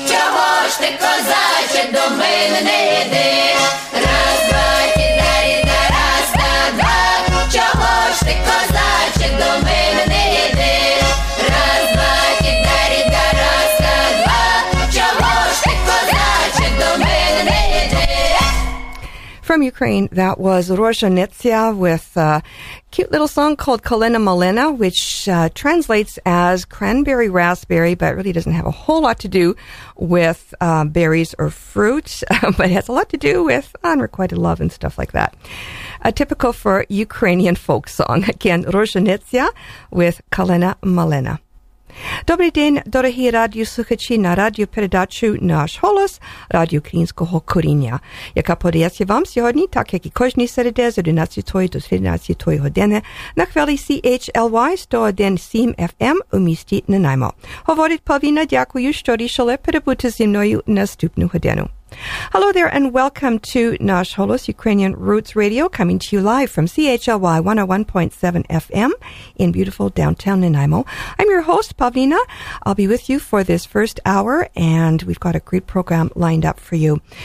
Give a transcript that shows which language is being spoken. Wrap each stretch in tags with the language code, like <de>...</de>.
<uk>Чого ж ти, козаче, до мене не йдеш? Раз, два, кітарі, та раз, та два. Чого ж ти, козаче, до мене не йдеш? Раз, два, кітарі, та раз, та два. Чого ж ти, козаче, до мене не йдеш?</uk> <en>From Ukraine, that was Roshanitsia with cute little song called Kalina Malina, which translates as cranberry raspberry, but really doesn't have a whole lot to do with berries or fruit, but it has a lot to do with unrequited love and stuff like that. A typical for Ukrainian folk song. Again, Roshanitsia with Kalina Malina.</en> <uk>Добрий день, дорогі радіослухачі, на радіопередачу «Наш голос» Радіо Українського коріння, яка подається вам сьогодні, так як і кожні середи з 11 до 13 години на хвилі CHLY 101.7 FM у місті Нанаймо. Говорить Павіна, дякую, що рішили перебути зі мною наступну годину.</uk> <en>Hello there and welcome to Nash Holos Ukrainian Roots Radio, coming to you live from CHLY 101.7 FM in beautiful downtown Nanaimo. I'm your host, Pavlina. I'll be with you for this first hour, and we've got a great program lined up for you.</en>